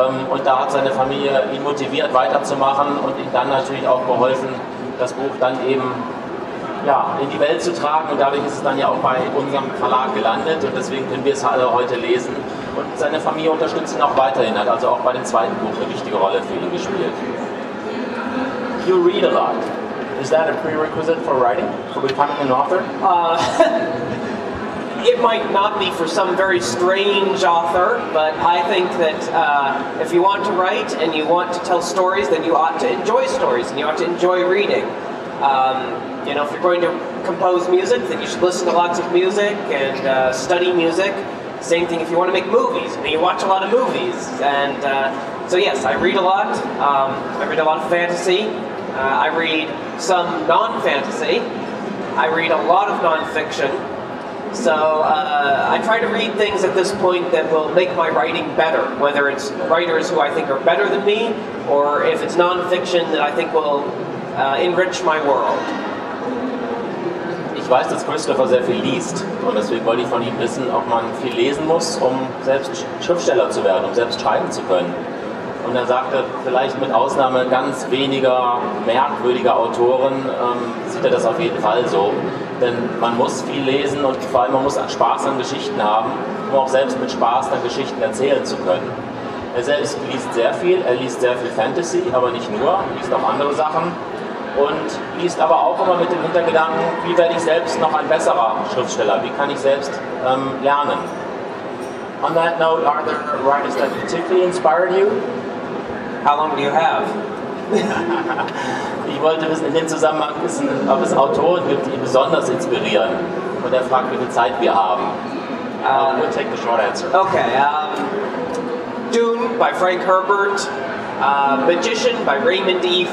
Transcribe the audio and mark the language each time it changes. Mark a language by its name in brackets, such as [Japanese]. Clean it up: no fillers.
[German] Und da hat seine Familie ihn motiviert, weiterzumachen und ihm dann natürlich auch geholfen, das Buch dann eben ja, in die Welt zu tragen. Und dadurch ist es dann ja auch bei unserem Verlag gelandet und deswegen können wir es alle heute lesen. Und seine Familie unterstützt ihn auch weiterhin, hat also auch bei dem zweiten Buch eine wichtige Rolle für ihn gespielt. [English] You read a lot. Is that a prerequisite for writing, for becoming an author? It might not be for some very strange author, but I think that if you want to write and you want to tell stories, then you ought to enjoy stories and you ought to enjoy reading. You know, if you're going to compose music, then you should listen to lots of music and study music. Same thing if you want to make movies, but you watch a lot of movies. And so yes, I read a lot. I read a lot of fantasy. I read some non-fantasy. I read a lot of non-fiction. So I try to read things at this point that will make my writing better, whether it's writers who I think are better than me, or if it's non-fiction that I think will enrich my world. [German] Ich weiß, dass Christopher sehr viel liest und deswegen wollte ich von ihm wissen, ob man viel lesen muss, um selbst Schriftsteller zu werden, um selbst schreiben zu können. Und er sagte, vielleicht mit Ausnahme ganz weniger merkwürdiger Autoren sieht er das auf jeden Fall so. Denn man muss viel lesen und vor allem man muss Spaß an Geschichten haben, um auch selbst mit Spaß dann Geschichten erzählen zu können. Er selbst liest sehr viel, er liest sehr viel Fantasy, aber nicht nur, er liest auch andere Sachen. Und liest aber auch immer mit dem Hintergedanken, wie werde ich selbst noch ein besserer Schriftsteller? Wie kann ich selbst lernen? [English] On that note, are there writers that particularly inspired you? How long do you have? [German] Ich wollte wissen, in dem Zusammenhang wissen, ob es Autoren gibt, die besonders inspirieren. Und er fragt, wie viel Zeit wir haben. [English] We'll take the short answer. Okay, Dune by Frank Herbert, Magician by Raymond E.